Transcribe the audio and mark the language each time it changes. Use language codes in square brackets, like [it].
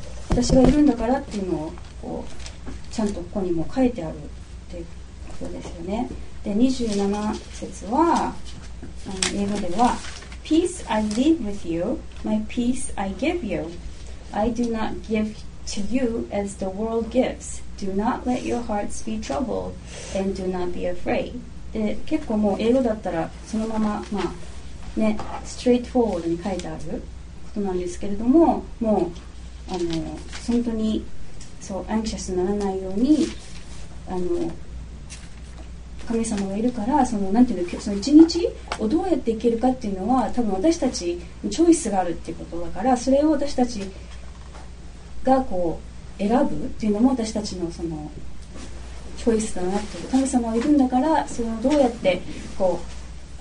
[ja] 私がいるんだからっていうのをこうちゃんとここにも書いてあるっていうことですよね。で、27節は、英語では、 [en] Peace I leave with you, my peace I give you. I do not give to you as the world gives. Do not let your hearts be troubled and do not be afraid. [ja] で、結構もう英語だったらそのまま、まあね、ストレートフォワードに書いてあることなんですけれども、もう本当にそう、アンクシャスにならないように神様がいるから、なんていうの、その一日をどうやっていけるかっていうのは、多分私たちにチョイスがあるっていうことだから、それを私たちがこう選ぶっていうのも私たちのそのチョイスだなって、神様がいるんだから、そのどうやってこう